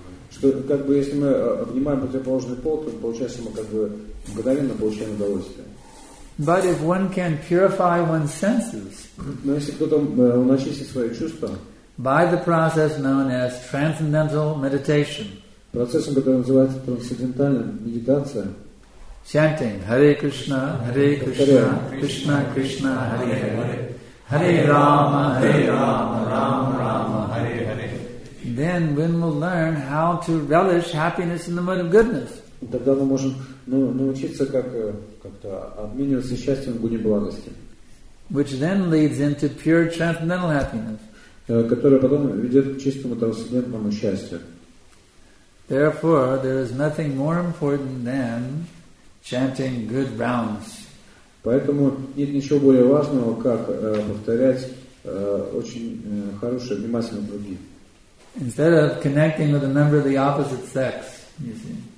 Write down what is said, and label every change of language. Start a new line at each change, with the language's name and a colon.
Russian: Что, как бы, если мы обнимаем противоположный пол, то получается мы как бы мгновенно получаем удовольствие.
English: But if one can purify one's senses,
Russian: но если кто-то очистит свои чувства,
English: by the process known as transcendental meditation,
Russian: процессом, который называется трансцендентальная медитация,
English: chanting Hare Krishna, Hare Krishna, Krishna Krishna, Hare Hare, Hare Rama, Hare Rama, Rama Rama, Hare Hare, then one will learn how to relish happiness in the mode of goodness.
Russian: Тогда мы можем научиться как-то обмениваться счастьем в гуне благости.
English: Which then leads into pure transcendental happiness.
Russian: Которая потом ведет к чистому трансцендентному счастью.
English: Therefore, there is nothing more important than chanting good rounds.
Russian: Поэтому нет ничего более важного, как повторять очень хорошие, внимательные круги.
English: Instead of connecting with a member of the opposite sex, you see.